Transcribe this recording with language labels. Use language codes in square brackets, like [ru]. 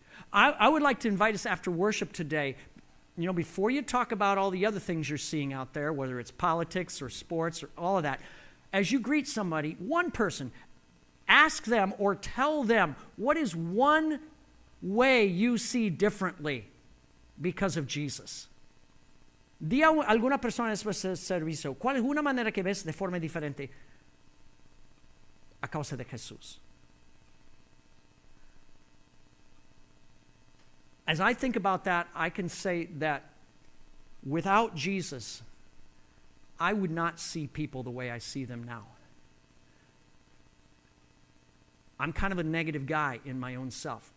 [en] I would like to invite us after worship today, you know, before you talk about all the other things you're seeing out there, whether it's politics or sports or all of that, as you greet somebody, one person, ask them or tell them, what is one way you see differently because of Jesus. [es] Di a alguna persona después del servicio, ¿cuál es una manera que ves de forma diferente a causa de Jesús? [en] As I think about that, I can say that without Jesus, I would not see people the way I see them now. I'm kind of a negative guy in my own self.